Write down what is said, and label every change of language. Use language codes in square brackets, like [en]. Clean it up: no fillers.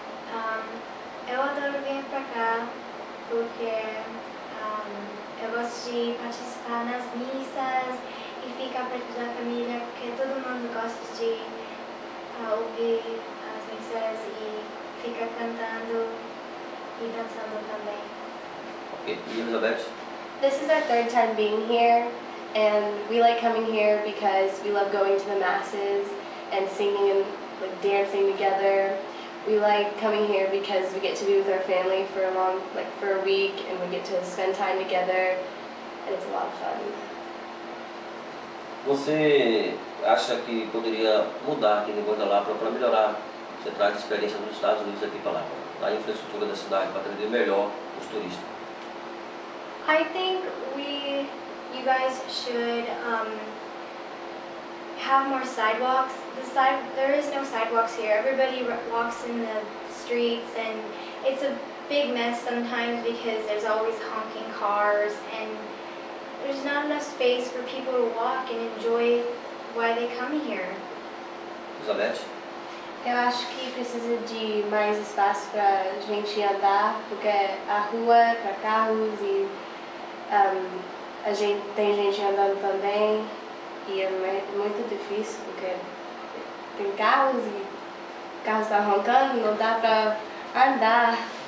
[pt] Eu adoro vir para cá porque eu gosto de participar nas missas e ficar perto da família, porque todo mundo gosta de ouvir as missas e ficar cantando e dançando também. Ok, e Elizabeth? [en] This is our third time being here, and we like coming here because we love going to the masses and singing and like dancing together. We like coming here because we get to be with our family for a long, like for a week, and we get to spend time together, and it's a lot of fun. [pt] Você acha que poderia mudar aqui depois da Lapa para melhorar? Você traz a experiência dos Estados Unidos aqui para lá, da infraestrutura da cidade para atender melhor os turistas. [en] I think you guys should have more sidewalks. There is no sidewalks here. Everybody walks in the streets, and it's a big mess sometimes because there's always honking cars, and there's not enough space for people to walk and enjoy why they come here. [pt] Eu acho que precisa de mais espaço para gente andar, porque a rua para carros e a gente tem gente andando também e é muito difícil porque tem carros e carros estão roncando, não dá para andar.